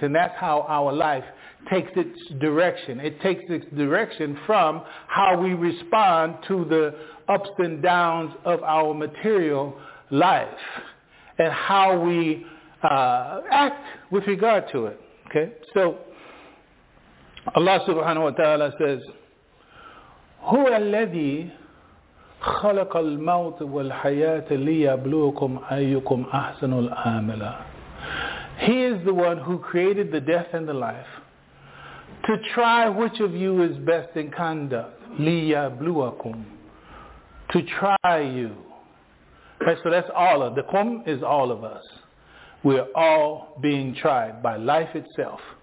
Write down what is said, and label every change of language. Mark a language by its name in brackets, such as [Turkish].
[English] And that's how our life takes its direction. It takes its direction from how we respond to the ups and downs of our material life and how we act with regard to it. Okay, so Allah subhanahu wa ta'ala says, [Arabic] هُوَ الَّذِي خَلَقَ الْمَوْتِ وَالْحَيَاةِ لِيَبْلُوكُمْ أَيُّكُمْ أَحْسَنُ الْآمِلَ. [English] He is the one who created the death and the life to try which of you is best in conduct. [Arabic] لِيَبْلُوكُمْ, [English] to try you. Right, so that's all of, the kum is all of us. We are all being tried by life itself.